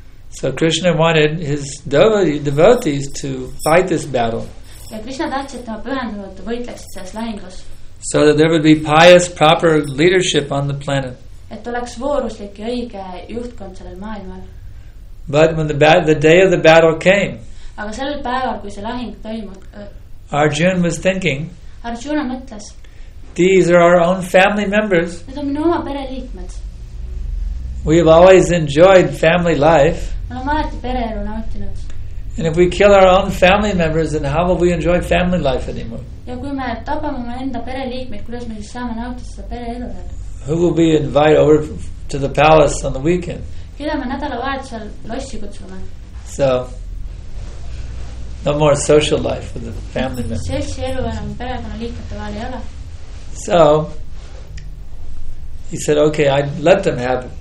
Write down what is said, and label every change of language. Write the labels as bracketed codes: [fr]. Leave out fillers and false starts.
[en] So Krishna wanted his devotees to fight this battle. So that there would be pious, proper leadership on the planet. [et] Et oleks vooruslik ja õige juhtkond sellel maailmal. [en] But when the day of the battle came, [et] aga sellel päeval, kui see lahing toimub, [en] Arjuna was thinking, [et] Arjuna mõtles, [en] these are our own family members. [et] Need on minu oma pere liikmed. [en] We have always enjoyed family life. [et] Ma olen alati pere elu nautinud. [en] And if we kill our own family members, then how will we enjoy family life anymore? [et] Ja kui me tapame enda pere liikmeid, kuidas me siis saame nautida seda pere elu? [en] Who will be invited over to the palace on the weekend? [et] Keda me nädalavahetusel lossi kutsume? [en] So, no more social life with the family members. [et] Selsi elu enam perekonna liikmete vahel ei ole. [en] So, he said, okay, I let them have it.